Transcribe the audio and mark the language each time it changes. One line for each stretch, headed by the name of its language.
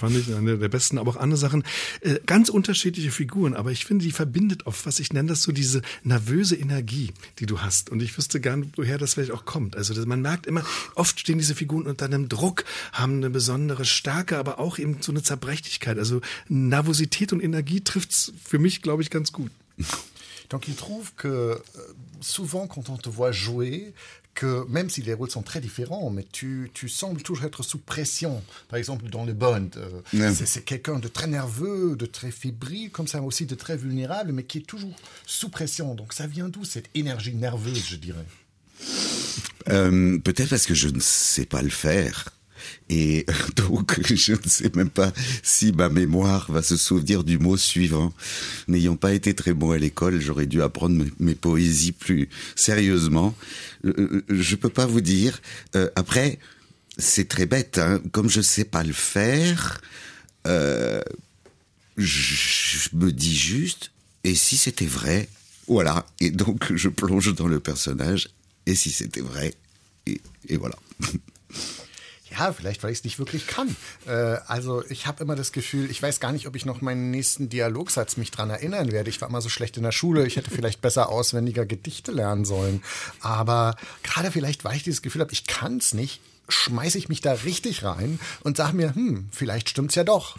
German: Fand ich eine der besten, aber auch andere Sachen. Ganz unterschiedliche Figuren, aber ich finde, die verbindet oft, was ich nenne, das so diese nervöse Energie, die du hast. Und ich wüsste gern, woher das vielleicht auch kommt. Also man merkt immer, oft stehen diese Figuren unter einem Druck, haben eine besondere Stärke, aber auch eben so eine Zerbrechlichkeit. Also Nervosität und Energie trifft es für mich, glaube ich, ganz gut.
French: Donc il trouve que souvent quand on te voit jouer, que même si les rôles sont très différents, mais tu sembles toujours être sous pression. Par exemple dans le Bond, c'est quelqu'un de très nerveux, de très fébrile, comme ça aussi de très vulnérable, mais qui est toujours sous pression. Donc ça vient d'où cette énergie nerveuse, je dirais? Peut-être parce que je ne sais pas le faire. Et donc, je ne sais même pas si ma mémoire va se souvenir du mot suivant. N'ayant pas été très bon à l'école, j'aurais dû apprendre mes poésies plus sérieusement. Je ne peux pas vous dire. Après, c'est très bête, hein. Comme je ne sais pas le faire, je me dis juste, et si c'était vrai? Voilà. Et donc, je plonge dans le personnage, et si c'était vrai? Et voilà.
German: Ja, vielleicht, weil ich es nicht wirklich kann. Also ich habe immer das Gefühl, ich weiß gar nicht, ob ich noch meinen nächsten Dialogsatz mich dran erinnern werde. Ich war immer so schlecht in der Schule. Ich hätte vielleicht besser auswendiger Gedichte lernen sollen. Aber gerade vielleicht, weil ich dieses Gefühl habe, ich kann es nicht, schmeiße ich mich da richtig rein und sage mir, vielleicht stimmt's ja doch.